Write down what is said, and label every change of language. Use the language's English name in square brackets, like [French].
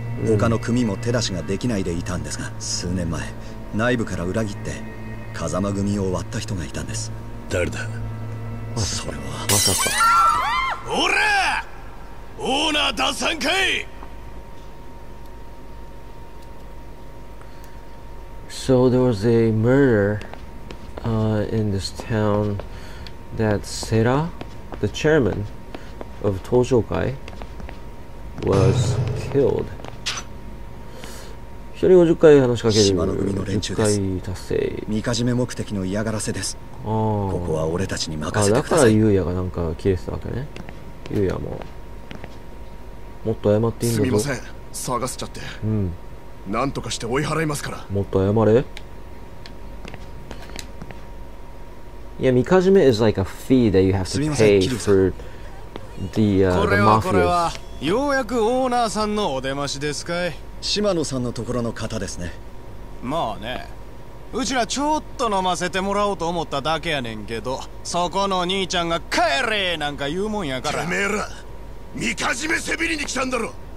[Japanese] 他の組も手出しができないでいたんですが、数年前内部から裏切って風間組を割った人がいたんです。誰だ？それはまさか。おら、オーナー出さんかい。 [English] So there was a murder, in this town that Sera, the chairman of Tōjōkai, was killed. [Japanese] 一人50回話しかける。島の組の連中です。10 回達成。見かじめ目的の嫌がらせです。あ、ここは俺たちに任せてください。だからユウヤがなんか切れてたわけね。ユウヤももっと謝っていいんだぞ。すみません、騒がせちゃって。うん、何とかして追い払いますから。もっと謝れ。 [English] いや、みかじめ is like a fee that you have to pay for the mafia. [Japanese] これはようやくオーナーさんのお出ましですかい。島野さんのところの方ですね。まあね、うちらちょっと飲ませてもらおうと思っただけやねんけど、そこの兄ちゃんが帰れなんか言うもんやから。てめえら、みかじめせびりに来たんだろ。